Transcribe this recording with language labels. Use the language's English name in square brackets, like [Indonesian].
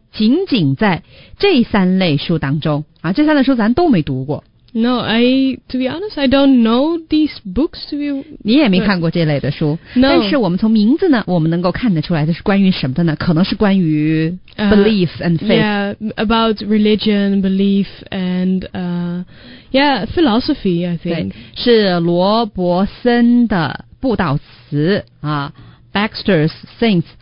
[Chinese] 仅仅在这三类书当中啊，这三类书咱都没读过。 [English] No, I to be honest, I don't know these books. To be [Chinese] 你也没看过这类的书。 [English] No, [Chinese] 但是我们从名字呢，我们能够看得出来，这是关于什么的呢？可能是关于 [English] belief and faith. Yeah, about religion, belief and yeah, philosophy. I think [Chinese] 是罗伯森的布道词啊 ，Baxter's Saints。